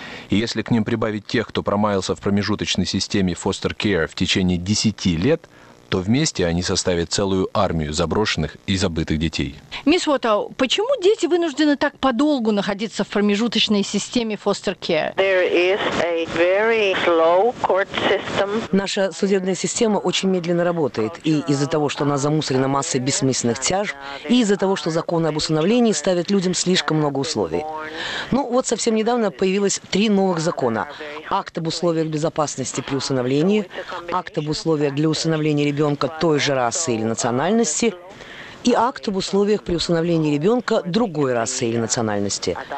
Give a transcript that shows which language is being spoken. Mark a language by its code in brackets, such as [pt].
[ru] И если к ним прибавить тех, кто промаялся в промежуточной системе Foster Care в течение 10 лет, то вместе они составят целую армию заброшенных и забытых детей. Мисс Уотау, почему дети вынуждены так подолгу находиться в промежуточной системе foster care? [en] There is a very slow court system. [ru] Наша судебная система очень медленно работает, и из-за того, что она замусорена массой бессмысленных тяжб, и из-за того, что законы об усыновлении ставят людям слишком много условий. Ну вот совсем недавно появилось 3 новых закона. Акт об условиях безопасности при усыновлении, акт об условиях для усыновления ребенка той же расы или национальности и акт об условиях при усыновлении ребенка другой расы или национальности.